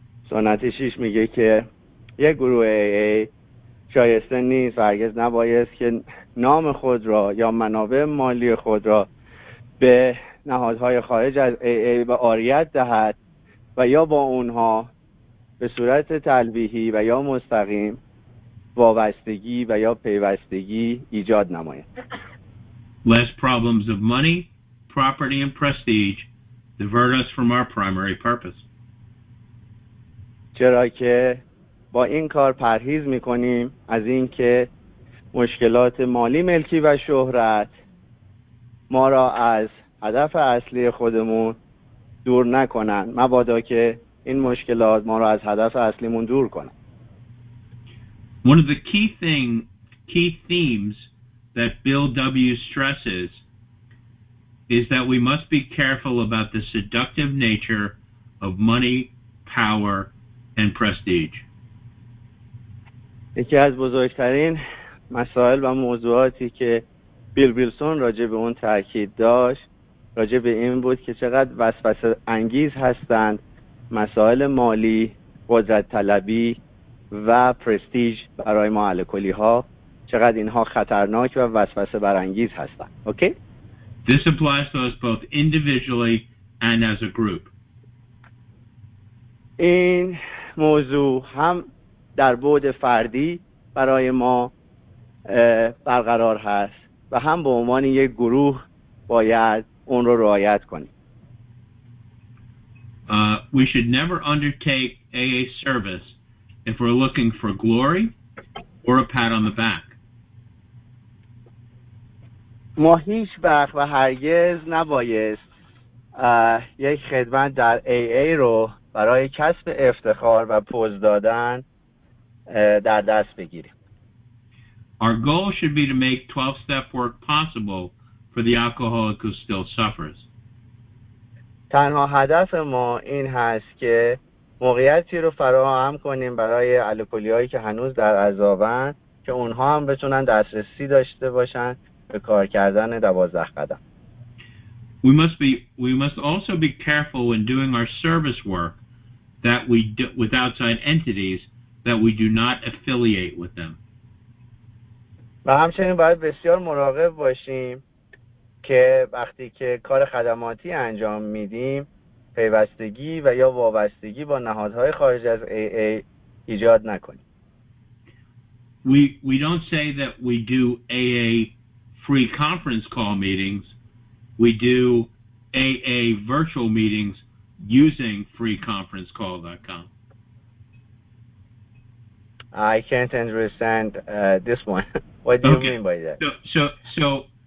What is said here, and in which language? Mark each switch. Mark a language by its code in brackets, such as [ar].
[fa] سنت شش میگه که یک گروه AA شایسته نیست و هرگز نباید که نام خود را یا منابع مالی خود را به نهادهای خارج از AA به عاریت دهد و یا با اونها به صورت تلویحی و یا مستقیم وابستگی و یا پیوستگی ایجاد نماید. [en] Less problems of money, property and prestige divert us from our primary purpose. [fa] چرا که با این کار پرهیز میکنیم از این که مشکلات مالی ملکی و شهرت ما را از هدف اصلی خودمون دور نکنن، مبادا که این مشکلات ما را از هدف اصلیمون دور کنن. [en] One of the key themes that Bill W. stresses is that we must be careful about the seductive nature of money, power and prestige. [fa] یکی از بزرگترین مسائل و موضوعاتی که بیل ویلسون راجع به اون تاکید داشت راجع به این بود که چقدر وسوسه انگیز هستند مسائل مالی، قدرت طلبی و پرستیج برای ما الکلی ها، چقدر اینها خطرناک و وسوسه برانگیز هستند. [en] Okay? This applies to us both individually and as a group. [fa] این موضوع هم در بُعد فردی برای ما برقرار هست و هم به عنوان یک گروه باید اون رو رعایت کنیم. [en] We should never undertake AA service if we're looking for glory or a pat on the back. [fa] ما هیچ وقت و هرگز نباید یک خدمت در AA رو برای کسب افتخار و پوز دادن در دست بگیریم. [en] Our goal should be to make 12-step work possible for the alcoholic who still suffers. [fa] تنها هدف ما این هست که موقعیتی رو فراهم کنیم برای الکلی‌هایی که هنوز در عذابن که اونها هم بتونن دسترسی داشته باشن به کار کردن 12 قدم. [en] We must also be careful when doing our service work that we do, with outside entities that we do not affiliate with them. [fa] و همچنین باید بسیار مراقب باشیم که وقتی که کار خدماتی انجام میدیم پیوستگی و یا وابستگی با نهادهای خارج از AA ایجاد نکنیم. [en] We don't say that we do AA free conference call meetings. We do AA virtual meetings using freeconferencecall.com. I can't understand this one. What do you mean by that?